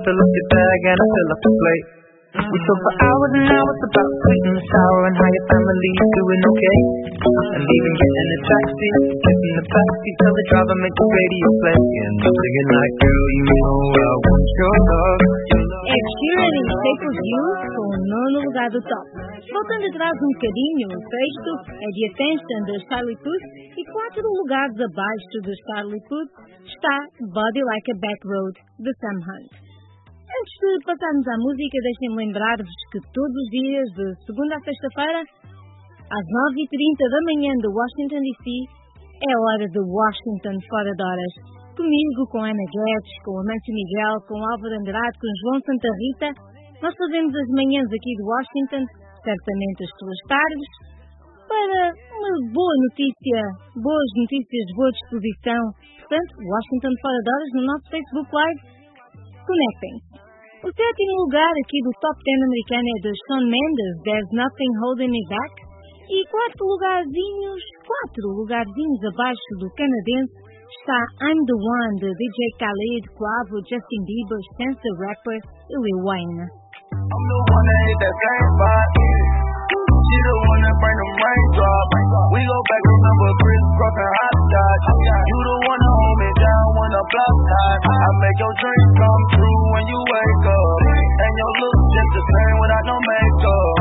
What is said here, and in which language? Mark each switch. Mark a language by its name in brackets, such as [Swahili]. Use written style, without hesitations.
[English] Fill up your bag and fill up the plate. We talk for hours and hours about sweet and sour and how your family's doing okay. And even getting a taxi, getting the taxi, tell the driver make the radio play. And I'm singing like, girl, you know I want your love. [Portuguese] Ed Sheeran e Shape of You com o nono lugar do top. Voltando atrás um bocadinho, o sexto é The Attention da Charlie Puth e quatro lugares abaixo da Charlie Puth está Body Like a Back Road de Sam Hunt. Antes de passarmos à música, deixem-me lembrar-vos que todos os dias, de segunda a sexta-feira, às 9h30 da manhã de Washington DC, é a hora de Washington Fora de Horas. Comigo, com Ana Guedes, com Amancio Miguel, com Álvaro Andrade, com João Santa Rita, nós fazemos as manhãs aqui de Washington, certamente as suas tardes, para uma boa notícia, boas notícias, boa disposição. Portanto, Washington Fora de Horas, no nosso Facebook Live, conectem. O sétimo lugar aqui do Top 10 americano é do Shawn Mendes, There's Nothing Holding Me Back, e quatro lugarzinhos abaixo do canadense, está I'm the One, de DJ Khaled, Quavo, Justin Bieber, Chance the Rapper e Lil Wayne. [English] I'm the one that hit that game spot, yeah. She the one that bring the rain drop. We go back, remember Chris Rock and Hot Dodge. You the one that hold me down when the block tight. I make your dreams come true when you wake up. And your look just the same without no makeup.